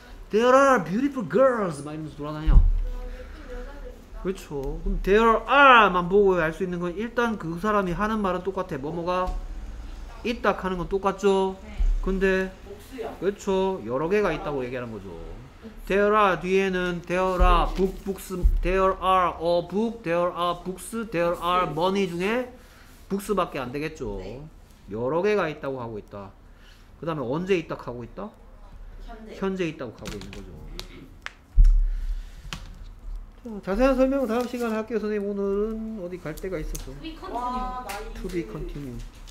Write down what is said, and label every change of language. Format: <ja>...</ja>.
<en>There are beautiful girls</en> <ko>막 이러면서 돌아다녀. 그렇죠. 그럼 there are만 보고 알 수 있는 건 일단 그 사람이 하는 말은 똑같아. 뭐뭐가 있다 하는 건 똑같죠. 근데 그렇죠. 여러 개가 있다고 얘기하는 거죠. There are 뒤에는</ko> <en>there are books, there are a book, there are books, there are money</en> <ko>중에 books밖에 안 되겠죠. 네. 여러 개가 있다고 하고 있다. 그 다음에 언제 있다 하고 있다? 현재 있다고 하고 있는 거죠. 자, 자세한 설명은 다음 시간에 할게요. 선생님 오늘은 어디 갈 데가 있어서</ko> <en>To be continued.</en>